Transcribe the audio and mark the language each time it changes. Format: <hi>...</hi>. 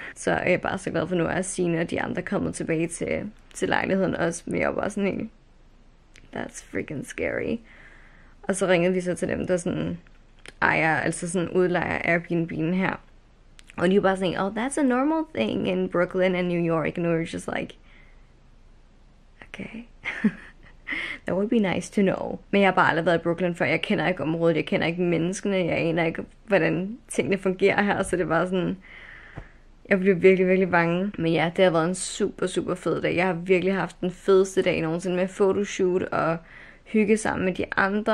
<da>Så er jeg bare så glad for, nu er Signe og de andre kommet tilbage til lejligheden også, men jeg var bare sådan helt,</da> <en>that's freaking scary.</en> <da>Og så ringede vi så til dem, der sådan ejer, altså sådan udlejer Airbnb'en her. Og de var bare sådan,</da> <en>oh, that's a normal thing in Brooklyn and New York. And we were just like, okay. That would be nice to know.</en> <da>Men jeg har bare aldrig været i Brooklyn før. Jeg kender ikke området, jeg kender ikke menneskene, jeg aner ikke, hvordan tingene fungerer her. Så det var sådan, jeg blev virkelig, virkelig bange. Men ja, det har været en super, super fed dag. Jeg har virkelig haft den fedeste dag nogensinde med photoshoot og hygge sammen med de andre.</da>